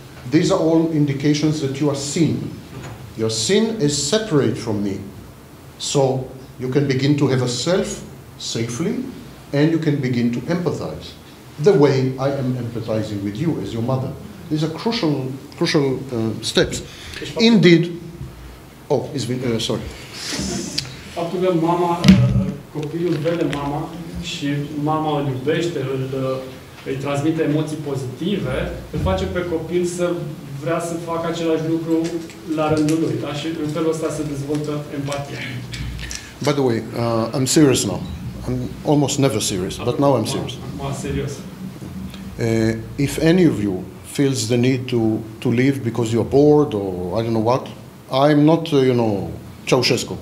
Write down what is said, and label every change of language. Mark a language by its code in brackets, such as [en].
[en] These are all indications that you are seen. Your sin is separate from me. So you can begin to have a self safely, and you can begin to empathize the way I am empathizing with you as your mother. These are crucial steps. Indeed. Oh, it's been, sorry. [ro] Faptul că mama, copilul vede mama și mama îl iubește, îi transmite emoții pozitive, îl face pe copil să vrea să facă același lucru la rândul lui, da? Și în felul ăsta se dezvoltă empatia. [en] By the way, I'm serious now. I'm almost never serious, but now I'm serious. If any of you feels the need to leave because you're bored or I don't know what, I'm not, you know, Ceaușescu.